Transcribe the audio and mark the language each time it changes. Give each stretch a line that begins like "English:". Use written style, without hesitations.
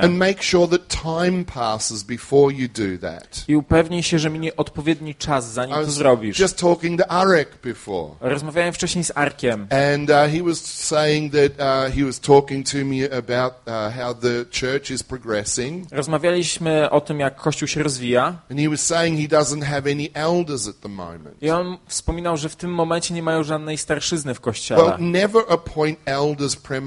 English: And make sure that time passes before you do that.
Polish: I upewnij się, że minie odpowiedni czas, zanim to zrobisz.
English: Just talking to Arek before.
Polish: Rozmawiałem wcześniej z Arkiem.
English: And he was saying that he was talking to me about how the church is progressing.
Polish: Rozmawialiśmy o tym, jak Kościół się rozwija.
English: And he was saying he doesn't have any elders at the moment.
Polish: I on wspominał, że w tym momencie nie mają żadnej starszyzny w Kościele.
English: Well, never appoint elders.